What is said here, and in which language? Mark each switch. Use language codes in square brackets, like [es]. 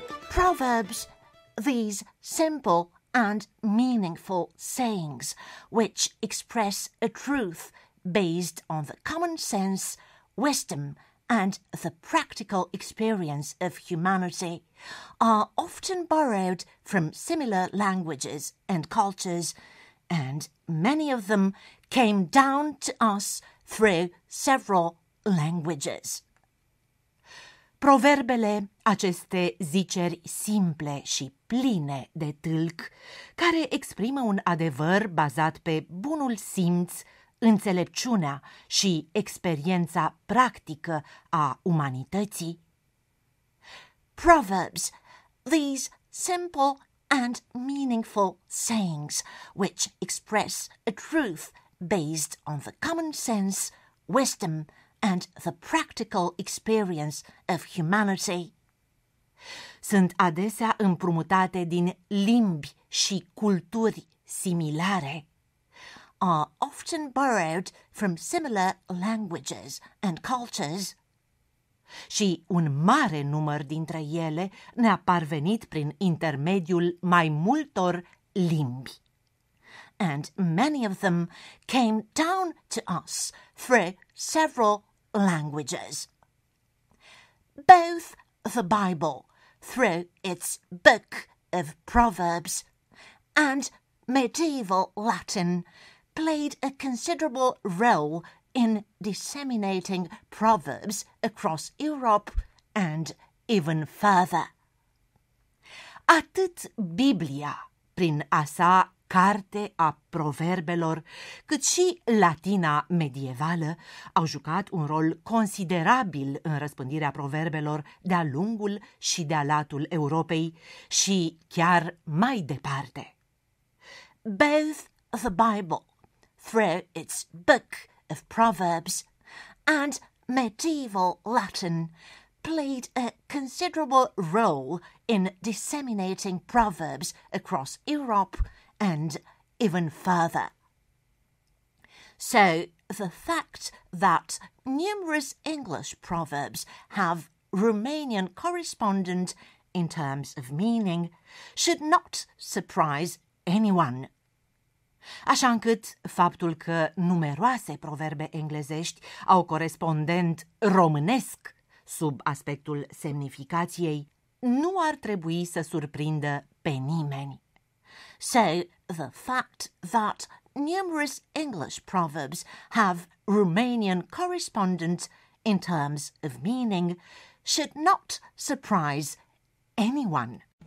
[en] Proverbs, these simple and meaningful sayings, which express a truth based on the common sense, wisdom, and the practical experience of humanity, are often borrowed from similar languages and cultures, and many of them came down to us through several languages. [ro] Proverbele, aceste ziceri simple și pline de tâlc, care exprimă un adevăr bazat pe bunul simț, înțelepciunea și experiența practică a umanității. [en] Proverbs, these simple and meaningful sayings, which express a truth based on the common sense, wisdom, and the practical experience of humanity. [ro] Sunt adesea împrumutate din limbi și culturi similare. [en] Are often borrowed from similar languages and cultures. [ro] Și un mare număr dintre ele ne-a parvenit prin intermediul mai multor limbi. [en] And many of them came down to us through several languages. Both the Bible, through its book of Proverbs, and medieval Latin played a considerable role in disseminating proverbs across Europe and even further. [ro] Atât Biblia, prin a sa carte a proverbelor, cât și latina medievală au jucat un rol considerabil în răspândirea proverbelor de-a lungul și de-a latul Europei și chiar mai departe. [en] Both the Bible, through its book of proverbs, and medieval Latin played a considerable role in disseminating proverbs across Europe and even further. So the fact that numerous English proverbs have Romanian correspondent in terms of meaning should not surprise anyone. [ro] Așa încât faptul că numeroase proverbe englezești au corespondent românesc sub aspectul semnificației nu ar trebui să surprindă pe nimeni. [en] So, the fact that numerous English proverbs have Romanian correspondent in terms of meaning should not surprise anyone.